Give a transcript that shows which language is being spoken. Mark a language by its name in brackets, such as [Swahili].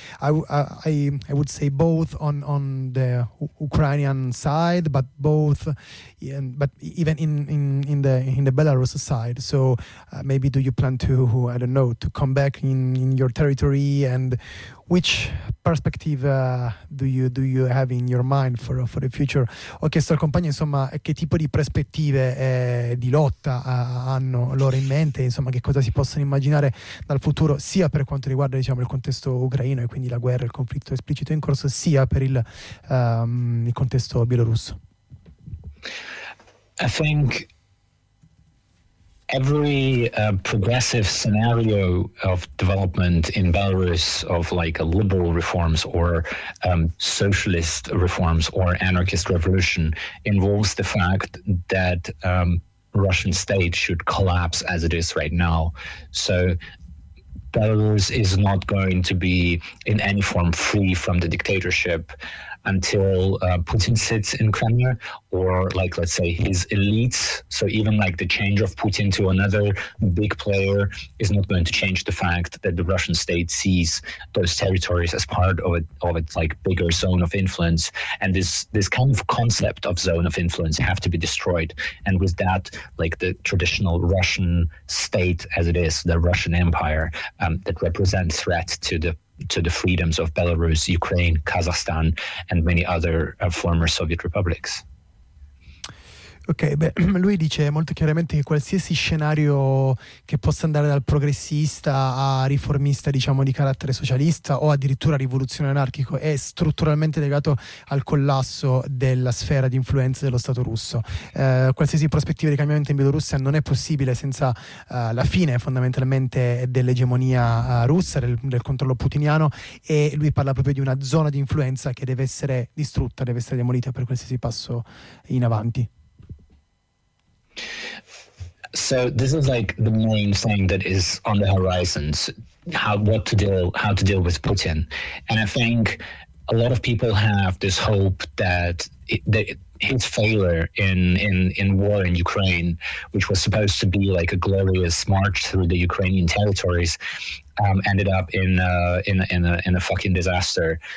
[English] I would say both on the Ukrainian side, but both, but even in the Belarus side. So maybe do you plan to, I don't know, to come back in your territory, and which perspective do you have in your mind for the future? [Italian] Ho chiesto al compagno, insomma, che tipo di prospettive di lotta hanno loro in mente, insomma, che cosa si possono immaginare dal futuro, sia per quanto riguarda, diciamo, il contesto ucraino e quindi la guerra, il conflitto esplicito in corso, sia per il contesto bielorusso. [English] I think every progressive scenario of development in Belarus, of like a liberal reforms or socialist reforms or anarchist revolution, involves the fact that Russian state should collapse as it is right now. So Belarus is not going to be in any form free from the dictatorship until Putin sits in Kremlin, or like, let's say, his elites. So even like the change of Putin to another big player is not going to change the fact that the Russian state sees those territories as part of it, of its like bigger zone of influence. And this kind of concept of zone of influence have to be destroyed. And with that, like the traditional Russian state as it is, the Russian Empire, that represents threat to the freedoms of Belarus, Ukraine, Kazakhstan, and many other former Soviet republics. [Italian] Ok, beh, lui dice molto chiaramente che qualsiasi scenario che possa andare dal progressista a riformista, diciamo, di carattere socialista o addirittura rivoluzione anarchico è strutturalmente legato al collasso della sfera di influenza dello Stato russo. Qualsiasi prospettiva di cambiamento in Bielorussia non è possibile senza la fine fondamentalmente dell'egemonia russa, del controllo putiniano, e lui parla proprio di una zona di influenza che deve essere distrutta, deve essere demolita per qualsiasi passo in avanti. [English] So this is like the main thing that is on the horizons, how to deal with Putin. And I think a lot of people have this hope that his failure in war in Ukraine, which was supposed to be like a glorious march through the Ukrainian territories, ended up in a fucking disaster.